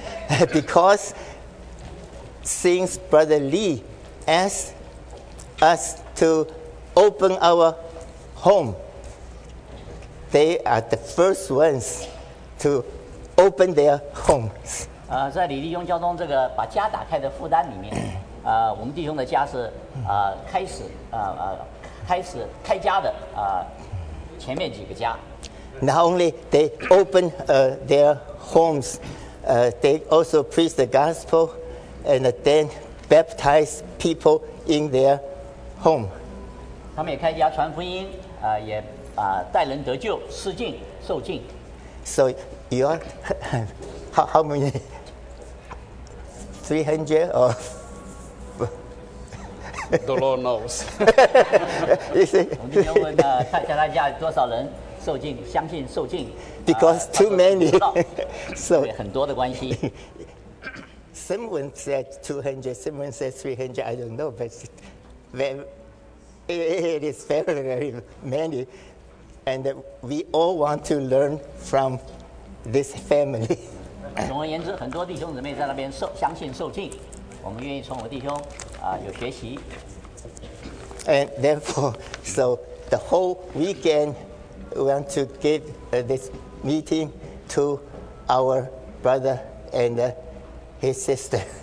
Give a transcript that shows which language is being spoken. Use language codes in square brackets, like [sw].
[en] Because since Brother Lee asked us to open our home, they are the first ones to open their homes. [zh] 在李弟兄家中这个把家打开的负担里面，我们弟兄的家是开始开家的前面几个家。 [en] Not only they open their homes. They also preach the gospel and then baptize people in their home. [zh] 他们也开家传福音，也带人得救、施浸、受浸。 [en] So you are, how many? 300 or? The Lord knows. [zh] 我们今天问大家，大家多少人？受浸，相信受浸, [en] because too many. [zh] So, 很多的关系, [en] someone said 200, someone said 300, I don't know, but it is very, very many. And we all want to learn from this family. [zh] 总而言之, 很多弟兄姊妹在那边受相信受浸，我们愿意从我弟兄, 有学习。 [en] And therefore, so the whole weekend, we want to give this meeting to our brother and his sister.